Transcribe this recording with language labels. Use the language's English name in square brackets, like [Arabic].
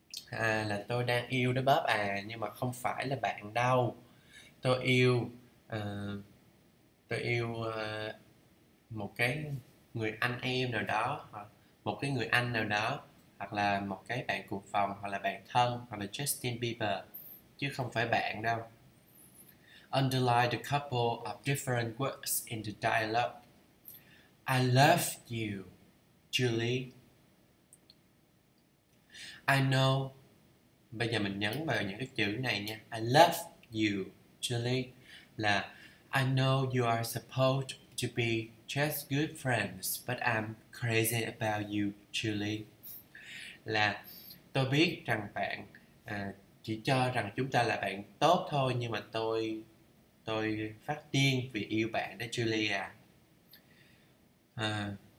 [Vietnamese] À, là tôi đang yêu đó Bob à, nhưng mà không phải là bạn đâu. Tôi yêu tôi yêu một cái người anh em nào đó, hoặc một cái người anh nào đó, hoặc là một cái bạn cùng phòng, hoặc là bạn thân, hoặc là Justin Bieber, chứ không phải bạn đâu. [English] Underline the couple of different words in the dialogue. I love you, Julie. I know. [Vietnamese] Bây giờ mình nhấn vào những cái chữ này nha. [English] I love you, Julie. Là I know you are supposed to be just good friends, but I'm crazy about you, Julie. [Vietnamese] Là tôi biết rằng bạn chỉ cho rằng chúng ta là bạn tốt thôi, nhưng mà tôi phát điên vì yêu bạn đó, Julie à.